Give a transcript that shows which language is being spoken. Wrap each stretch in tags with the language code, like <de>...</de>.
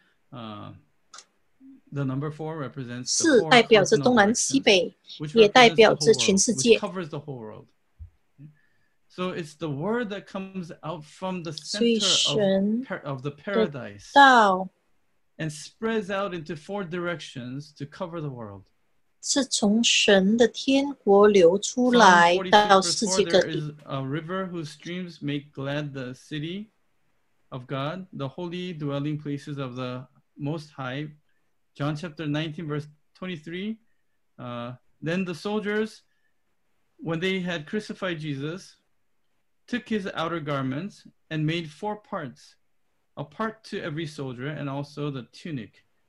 <en>The number four represents the</en> <zh>四代表着东南西北，也代表着全世界。</zh> <en>covers the whole world. So it's the word that comes out from the center of the paradise and spreads out into four directions to cover the world.</en> <zh>是从神的天国流出来到世界各地。</zh> <en>There is a river whose streams make glad the city of God, the holy dwelling places of the Most High. John chapter 19, verse 23. Then the soldiers, when they had crucified Jesus, took his outer garments and made four parts, a part to every soldier, and also the tunic.</en>